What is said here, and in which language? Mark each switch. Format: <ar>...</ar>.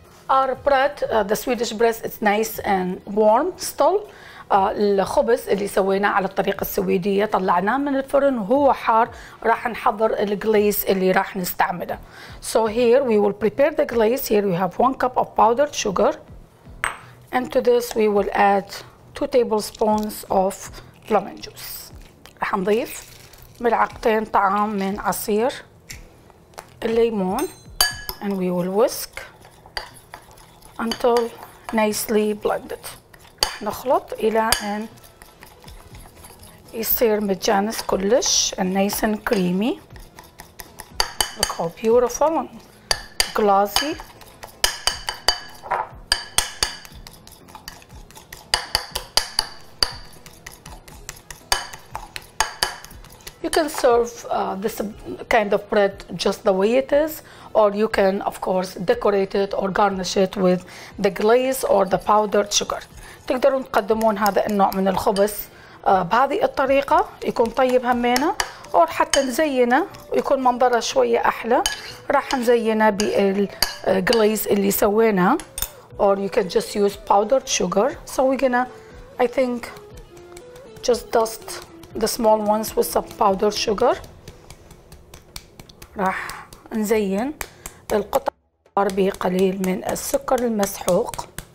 <en>Our bread, the Swedish bread, it's nice and warm still.</en> <ar>الخبز اللي سويناه على الطريقة السويدية طلعناه من الفرن وهو حار. راح نحضر الجليز اللي راح نستعمله.</ar> <en>So here we will prepare the glaze. Here we have 1 cup of powdered sugar. And to this we will add 2 tablespoons of lemon juice.</en> <ar>راح نضيف ملعقتين طعام من عصير الليمون.</ar> <en>And we will whisk until nicely blended.</en> <ar>نخلط إلى أن يصير متجانس كلش</ar> <en>and nice and creamy. Look how beautiful and glossy. You can serve this kind of bread just the way it is, or you can of course decorate it or garnish it with the glaze or the powdered sugar.</en> <ar>تقدرون تقدمون هذا النوع من الخبز بهذه الطريقة يكون طيب همينة، أو حتى نزينه ويكون منظره شوية أحلى راح نزينه بالجليز اللي سويناه.</ar> <en>Or you can just use powdered sugar. So we're gonna, I think, just dust the small ones with some powdered sugar.</en> <ar>راح نزين القطع بقليل من السكر المسحوق.</ar>